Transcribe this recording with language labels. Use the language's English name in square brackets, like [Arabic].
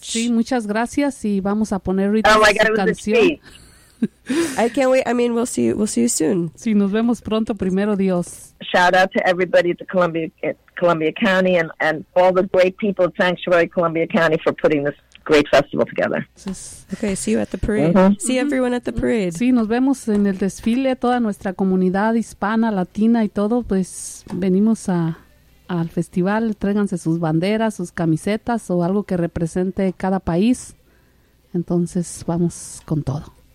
[Spanish] Sí, muchas gracias y vamos a poner ahorita su canción. [English] I can't wait. I mean, we'll see you soon. [Spanish] Sí, nos vemos pronto, primero Dios. [English] Shout out to everybody at the Columbia County and all the great people at Sanctuary Columbia County for putting this great festival together. Okay, see you at the parade. Mm-hmm. See everyone at the parade. [Spanish] Sí, nos vemos en el desfile, toda nuestra comunidad hispana, latina y todo, pues venimos al festival, tráiganse sus banderas, sus camisetas o algo que represente cada país. Entonces, vamos con todo.